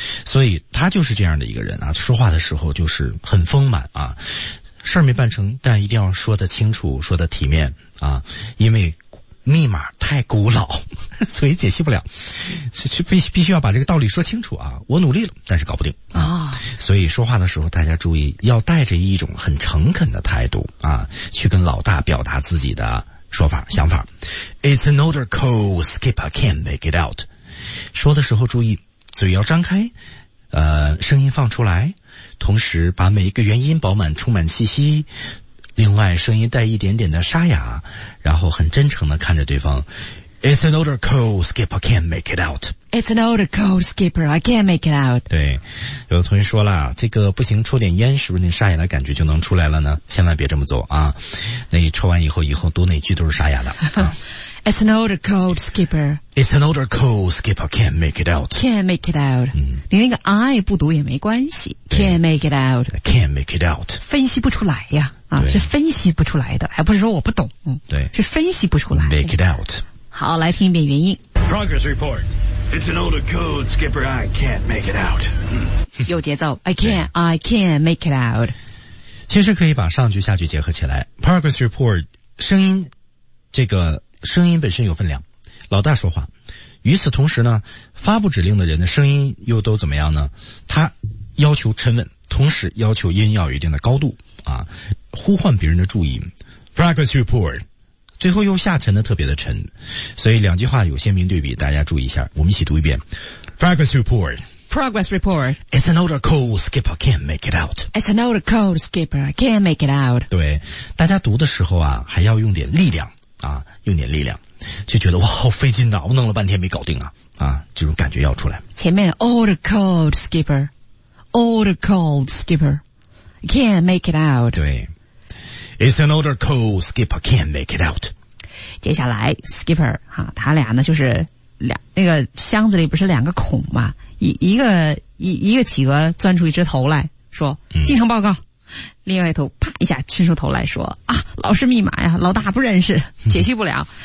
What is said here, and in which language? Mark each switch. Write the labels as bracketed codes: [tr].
[zh] 所以他就是这样的一个人啊，说话的时候就是很丰满啊，事儿没办成，但一定要说得清楚，说得体面啊，因为密码太古老，所以解析不了，必须要把这个道理说清楚啊，我努力了但是搞不定啊、哦、所以说话的时候大家注意要带着一种很诚恳的态度啊，去跟老大表达自己的说法想法。 [en] It's another code, skip, I can't make it out。 [zh] 说的时候注意嘴要张开，声音放出来，同时把每一个元音饱满充满气息，另外声音带一点点的沙哑，然后很真诚的看着对方。 [en] It's an older code, skipper, I can't make it out. It's an older code, skipper, I can't make it out. [zh] 对，有的同学说了，这个不行，抽点烟是不是那沙哑的感觉就能出来了呢？千万别这么做啊，那你抽完以后读哪句都是沙哑的、啊、 [en] It's an older code, skipper. It's an older code, skipper, I can't make it out. Can't make it out、嗯、 [zh] 你那个 I 不读也没关系。 [en] Can't make it out. Can't make it out. [zh] 分析不出来呀啊，是分析不出来的，还不是说我不懂，嗯，对，是分析不出来。 [en] Make it out。 [zh] 好，来听一遍原因。 [en] Progress report. It's an older code, skipper. I can't make it out. [zh] 有节奏。 [en] I can't make it out。 [zh] 其实可以把上句下句结合起来。 [en] Progress report， [zh] 声音，这个声音本身有分量。老大说话，与此同时呢，发布指令的人的声音又都怎么样呢？他要求沉稳，同时要求音要有一定的高度。啊，呼唤别人的注意 ， [en] progress report， [zh] 最后又下沉的特别的沉，所以两句话有鲜明对比，大家注意一下，我们一起读一遍 ，progress report， [en] it's an older code, skipper, I can't make it out, it's an older code, skipper, I can't make it out。 [zh] 对，大家读的时候啊，还要用点力量啊，用点力量，就觉得哇，好费劲呐、啊，我弄了半天没搞定啊，啊，这种感觉要出来。前面 [en] older code, skipper, older code, skipper。 Can't make it out. [zh] 对。 [en] It's an older code, skipper, can't make it out. [zh] 接下来 skipper, 啊，他俩呢就是那个箱子里不是两个孔嘛，一个企鹅钻出一只头来说进程报告、嗯、另外一头啪一下伸出头来说啊，老师密码呀，老大不认识，解析不了。